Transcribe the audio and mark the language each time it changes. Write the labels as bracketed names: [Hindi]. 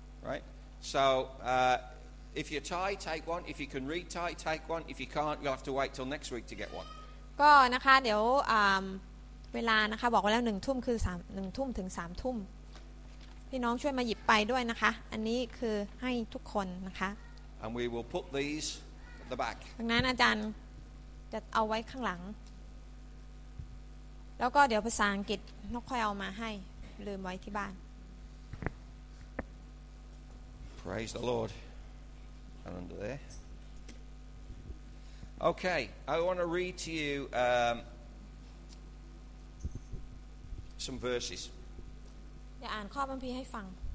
[English] right so if you're Thai take one if you can read Thai take one if you can't you'll have to wait till next week to get one [Thai] ก็นะคะเดี๋ยวเวลานะคะบอกไว้แล้ว1ทุ่มคือ3 1ทุ่มถึง3ทุ่มพี่น้องช่วยมาหยิบไปด้วยนะคะอันนี้คือให้ทุกคนนะคะ [English] and we will put these at the back [Thai] ดังนั้นอาจารย์จะเอาไว้ข้างหลังแล้วก็เดี๋ยวภาษาอังกฤษนกค่อยเอามาให้ลืมไว้ที่บ้าน [English] Praise the Lord and under there Okay I want to read to you some verses [Thai] อย่าอ่านข้อพระคัมภีร์ให้ฟัง